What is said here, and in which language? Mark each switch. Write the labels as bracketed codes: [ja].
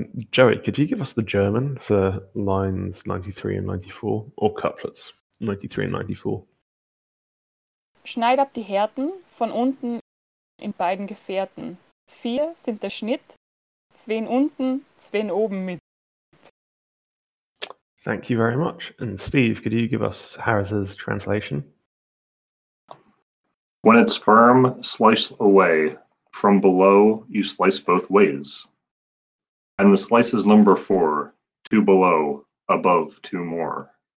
[en] Joey, could you give us the German for lines 93 and 94, or couplets 93 and 94? [de] Schneid ab die Härten von unten in beiden Gefährten. Vier sind der Schnitt, zween unten, zween oben mit. [en] Thank you very much. And Steve, could you give us Harris's translation? When it's firm, slice away. From below, you slice both ways. And the slice is number 4. Two below, above two more.